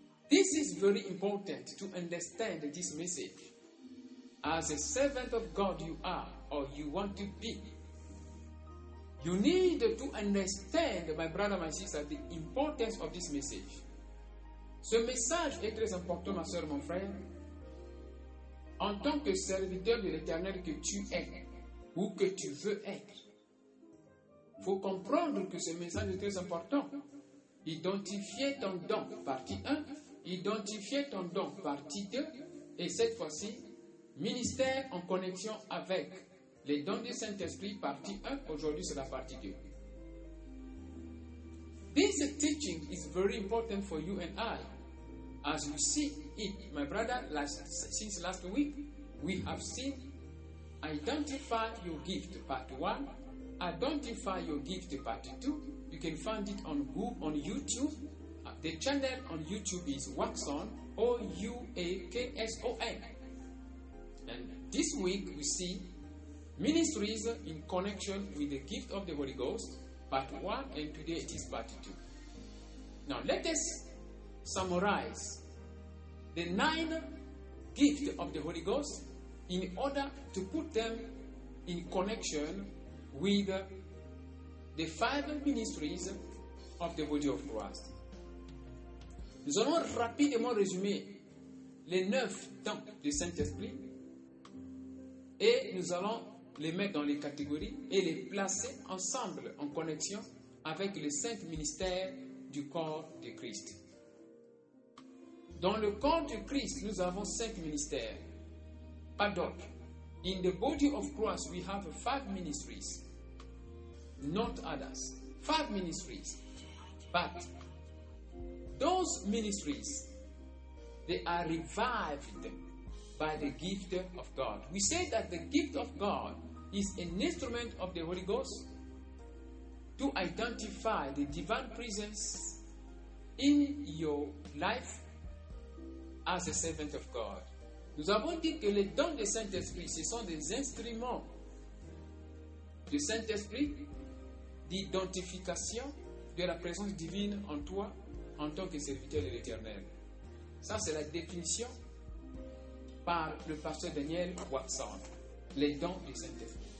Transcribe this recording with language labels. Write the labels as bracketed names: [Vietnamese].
[English] This is very important to understand this message. As a servant of God you are, or you want to be, you need to understand, my brother, my sister, the importance of this message. [French] Ce message est très important, ma soeur, mon frère. En tant que serviteur de l'Éternel que tu es, ou que tu veux être, il faut comprendre que ce message est très important. Identifier ton don, partie 1. Identifier ton don, partie 2. Et cette fois-ci, ministère en connexion avec les dons du Saint-Esprit, partie 1. Aujourd'hui, c'est la partie 2. [English] This teaching is very important for you and I. As you see it, my brother, since last week, we have seen Identify Your Gift, part 1. Identify Your Gift, part 2. You can find it on Google, on YouTube. The channel on YouTube is Waxon, O-U-A-K-S-O-N. And this week, we see Ministries in Connection with the Gift of the Holy Ghost, part 1, and today it is part 2. Now, let us summarize the 9 gifts of the Holy Ghost in order to put them in connection with the 5 ministries of the body of Christ. [French] Nous allons rapidement résumer les 9 dons du Saint-Esprit et nous allons les mettre dans les catégories et les placer ensemble en connexion avec les 5 ministères du corps de Christ. Dans le corps de Christ, nous avons 5 ministères, pas d'autres. [English] In the body of Christ, we have 5 ministries. Not others. 5 ministries. But those ministries, they are revived by the gift of God. We say that the gift of God is an instrument of the Holy Ghost to identify the divine presence in your life as a servant of God. [French] Nous avons dit que les dons du Saint-Esprit, ce sont des instruments du Saint-Esprit d'identification de la présence divine en toi en tant que serviteur de l'Éternel. Ça, c'est la définition par le pasteur Daniel Watson, les dons du Saint-Esprit.